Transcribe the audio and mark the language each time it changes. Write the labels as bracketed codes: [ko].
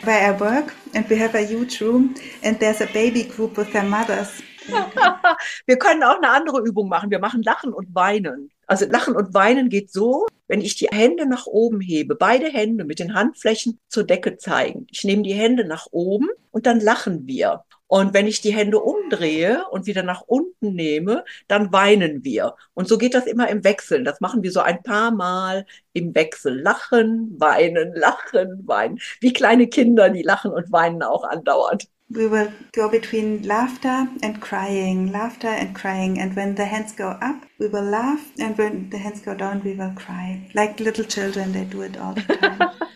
[en] Where I work and we have a huge room and there's a baby group with their mothers. [de] Wir können auch eine andere Übung machen. Wir machen Lachen und Weinen. Also Lachen und Weinen geht so, wenn ich die Hände nach oben hebe, beide Hände mit den Handflächen zur Decke zeigen. Ich nehme die Hände nach oben und dann lachen wir. Und wenn ich die Hände umdrehe und wieder nach unten nehme, dann weinen wir. Und so geht das immer im Wechsel. Das machen wir so ein paar Mal im Wechsel. Lachen, weinen. Wie kleine Kinder, die lachen und weinen auch andauernd. [en] We will go between laughter and crying, and when the hands go up, we will laugh, and when the hands go down, we will cry, like little children, they do it all the time.